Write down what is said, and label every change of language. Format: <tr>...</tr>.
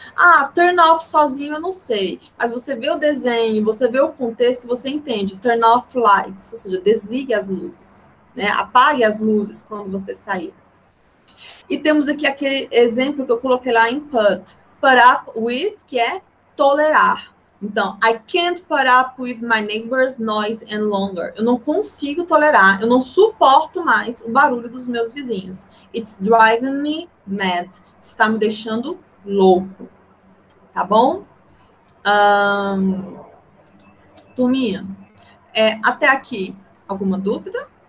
<pt>Ah, turn off sozinho, eu não sei. Mas você vê o desenho, você vê o contexto, você entende.</pt> <en>Turn off lights,</en> <pt>ou seja, desligue as luzes. Né, apague as luzes quando você sair. E temos aqui aquele exemplo que eu coloquei lá em put up with, que é tolerar.</pt> <en>Então, I can't put up with my neighbor's noise and longer.</en> <pt>Eu não consigo tolerar, eu não suporto mais o barulho dos meus vizinhos.</pt> <en>It's driving me mad.</en> <pt>Está me deixando louco. Tá bom? Turminha, até aqui, alguma dúvida?</pt>